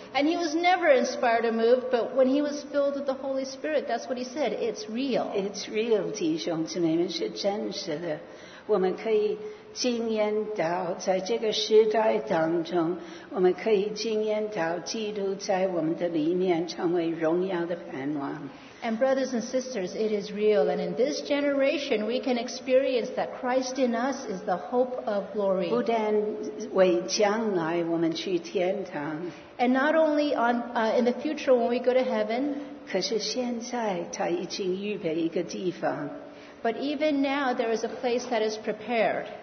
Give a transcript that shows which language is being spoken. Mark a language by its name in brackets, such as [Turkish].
[English] And he was never inspired or moved, but when he was filled with the Holy Spirit, that's what he said. It's real. It's real, [Chinese] 弟兄姊妹们，是真实的。我们可以经验到，在这个时代当中，我们可以经验到基督在我们的里面成为荣耀的盼望。 [English] And brothers and sisters, it is real. And in this generation, we can experience that Christ in us is the hope of glory. [Chinese] 不但为将来我们去天堂, [English] and not only on, in the future when we go to heaven, [Chinese] 可是现在他已经预备一个地方, [English] but even now there is a place that is prepared.